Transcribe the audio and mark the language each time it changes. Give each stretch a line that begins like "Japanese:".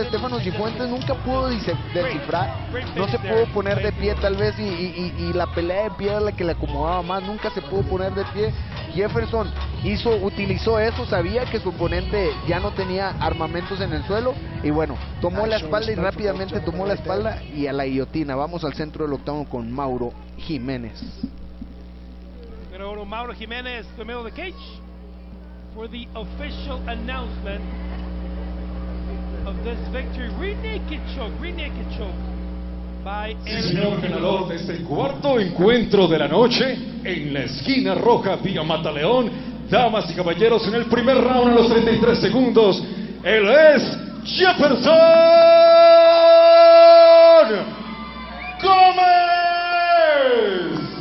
Spanish: Estefano Cifuentes nunca pudo descifrar, no se pudo poner de pie tal vez, y la pelea de pie era la que le acomodaba más, nunca se pudo poner de pie. Jefferson utilizó eso, sabía que su oponente ya no tenía armamentos en el suelo, y bueno, tomó la espalda y rápidamente tomó la espalda y a la guillotina. Vamos al centro del octavo con Mauro Jiménez.
English: Mauro Jiménez, the middle of the cage, for the official announcement of this victory. Rear naked choke by
Spanish: el señor ganador de este cuarto encuentro de la noche en la esquina roja vía Mataleón. Damas y caballeros, en el primer round a los 33 segundos, él es Jefferson Gómez.